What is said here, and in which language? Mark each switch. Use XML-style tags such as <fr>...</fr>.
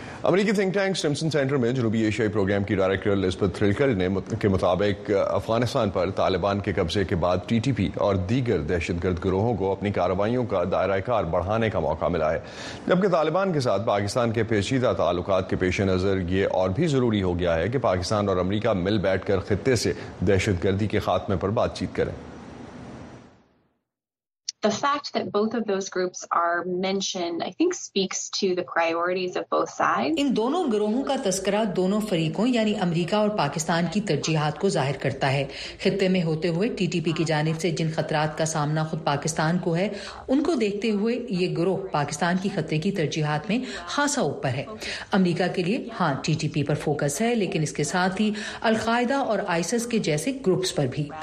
<ur>امریکی think tank سٹیمسن centre میں جنوبی ایشیائی پروگرام کی ڈائریکٹر لزبت تھرلکر نے کے مطابق افغانستان پر طالبان کے قبضے کے بعد ٹی ٹی پی اور دیگر دہشت گرد گروہوں کو اپنی کارروائیوں کا دائرہ کار بڑھانے کا موقع ملا ہے, جبکہ طالبان کے ساتھ پاکستان کے پیچیدہ تعلقات کے پیش نظر یہ اور بھی ضروری ہو گیا ہے کہ پاکستان اور امریکہ مل بیٹھ کر خطے سے دہشت گردی کے خاتمے پر بات چیت کریں.</ur> <en>The fact that both of those groups are mentioned, I think, speaks to the priorities of both sides.</en> <ur>ان دونوں گروہوں کا تذکرہ دونوں فریقوں یعنی امریکہ اور پاکستان کی ترجیحات کو ظاہر کرتا ہے. خطے میں ہوتے ہوئے ٹی ٹی پی کی جانب سے جن خطرات کا سامنا خود پاکستان کو ہے ان کو دیکھتے ہوئے یہ گروہ پاکستان کی خطے کی ترجیحات میں خاصا اوپر ہے. امریکہ کے لیے ہاں ٹی ٹی پی پر فوکس ہے, لیکن اس کے ساتھ ہی القاعدہ اور آئیسس کے جیسے گروپس پر بھی.</ur>